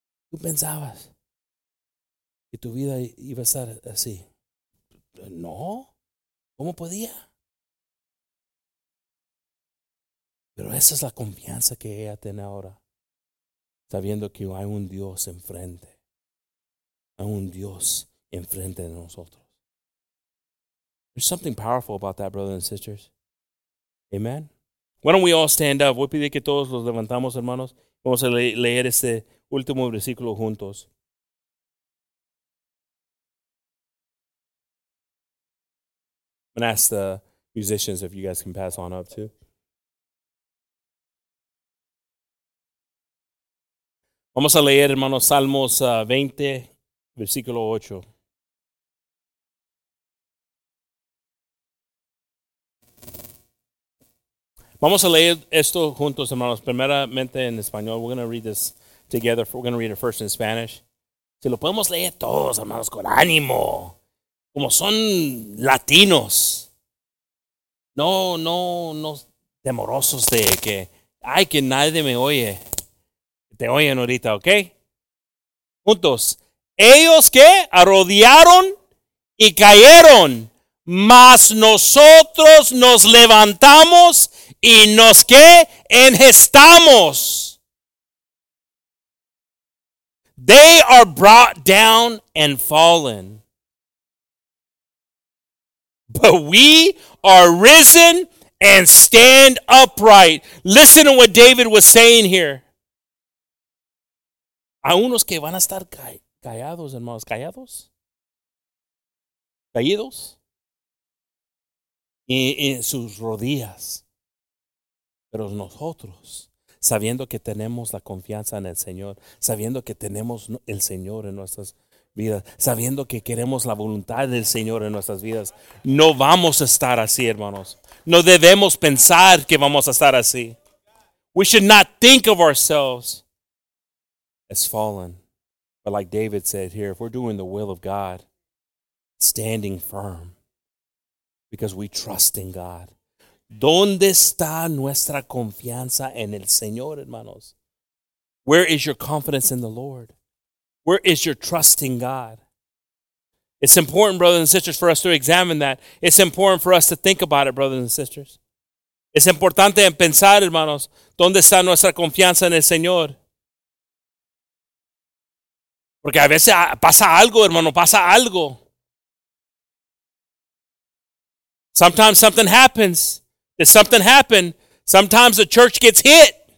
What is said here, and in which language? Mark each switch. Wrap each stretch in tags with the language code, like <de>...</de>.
<es>tú pensabas que tu vida iba a estar así. No, ¿cómo podía? Pero esa es la confianza que ella tiene ahora, sabiendo que hay un Dios enfrente. A un Dios enfrente de nosotros.</es> <en>There's something powerful about that, brothers and sisters. Amen. Why don't we all stand up?</en> <es>Voy a pedir que todos los levantamos, hermanos. Vamos a leer este último versículo juntos.</es> <en>I'm going to ask the musicians if you guys can pass on up too.</en> <es>Vamos a leer, hermanos, Salmos 20. Versículo 8. Vamos a leer esto juntos, hermanos. Primeramente en español.</es> <en>We're going to read this together. We're going to read it first in Spanish.</en> <es>Si lo podemos leer todos, hermanos, con ánimo. Como son latinos. No temorosos de que, ay, que nadie me oye. Te oyen ahorita, ¿ok? Juntos. Ellos que arrodillaron y cayeron, mas nosotros nos levantamos y nos que enhestamos.</es> <en>They are brought down and fallen, but we are risen and stand upright. Listen to what David was saying here.</en> <es>A unos que van a estar callados, hermanos, callados. Caídos. En sus rodillas. Pero nosotros, sabiendo que tenemos la confianza en el Señor, sabiendo que tenemos el Señor en nuestras vidas, sabiendo que queremos la voluntad del Señor en nuestras vidas, no vamos a estar así, hermanos. No debemos pensar que vamos a estar así.</es> <en>We should not think of ourselves as fallen. But like David said here, if we're doing the will of God, standing firm, because we trust in God.</en> <es>¿Dónde está nuestra confianza en el Señor, hermanos?</es> <en>Where is your confidence in the Lord? Where is your trust in God? It's important, brothers and sisters, for us to examine that. It's important for us to think about it, brothers and sisters.</en> <es>Es importante pensar, hermanos, ¿dónde está nuestra confianza en el Señor? Porque a veces pasa algo, hermano, pasa algo.</es> <en>Sometimes something happens. Does something happen? Sometimes the church gets hit.</en>